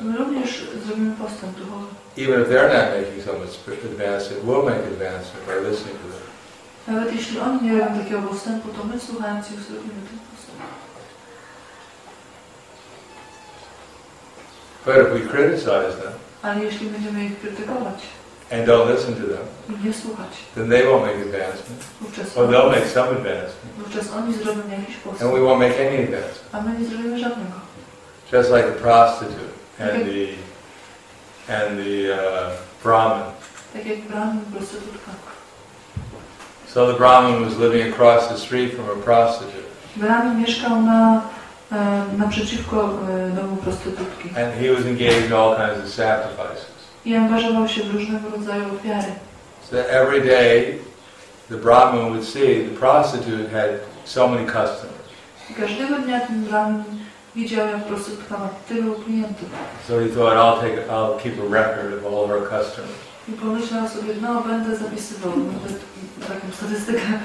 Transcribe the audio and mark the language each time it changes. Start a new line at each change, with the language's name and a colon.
Polish: My również zrobimy postęp duchowy.
English: Even if they're not making some advancement, we'll make advancement by listening to them.
Polish: Nawet jeśli oni nie robią takiego postępu, to my słuchając ich zrobimy ten postęp.
English: But if we criticize them,
Polish: ale jeśli będziemy ich krytykować,
English: and don't listen to them,
Polish: nie słuchać,
English: then they won't make advancement.
Polish: Wówczas
English: or they'll make some advancement.
Polish: Wówczas oni zrobią jakiś postęp.
English: And we won't make any advancement.
Polish: A my nie zrobimy żadnego.
English: Just like the prostitute and okay. the Brahmin.
Polish: Tak jak Brahmin, prostytutka.
English: So the Brahmin was living across the street from a prostitute.
Polish: Brahmin mieszkał naprzeciwko domu prostytutki.
English: And he was engaged in all kinds of sacrifices.
Polish: I angażował się w różnego rodzaju ofiary.
English: So every day the Brahmin would see the prostitute had so many customers.
Polish: I każdego dnia ten Brahmin widział, jak prostytutka ma tylu klientów.
English: So he thought, I'll keep a record of all her customers.
Polish: I pomyślał sobie, no będę zapisywał taką statystykę.